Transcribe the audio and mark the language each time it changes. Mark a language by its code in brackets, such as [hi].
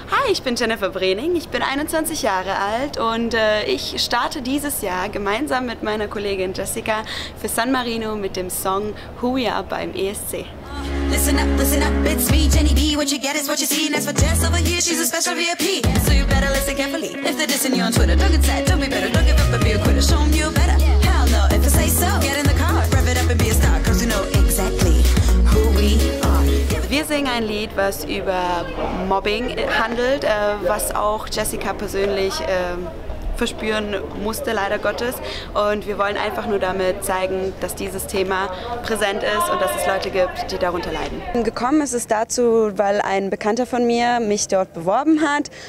[de] ich bin Jennifer Brening, ich bin 21 Jahre alt und ich starte dieses Jahr gemeinsam mit meiner Kollegin Jessica für San Marino mit dem Song Who We Are beim ESC. [en] Listen up, it's me, Jenny P. What you get is what you see. And as for Jess over here, she's a special VIP. So you better listen carefully. If they're dissing you on Twitter, don't get sad. Don't be better, don't give up, but be a quitter. Show them you're better. Hell no, if I say so, get in the car. Rev it up and be a star, cause you know exactly who we are. [de] Wir singen ein Lied, was über Mobbing handelt, was auch Jessica persönlich verspüren musste, leider Gottes. Und wir wollen einfach nur damit zeigen, dass dieses Thema präsent ist und dass es Leute gibt, die darunter leiden. Gekommen ist es dazu, weil ein Bekannter von mir mich dort beworben hat.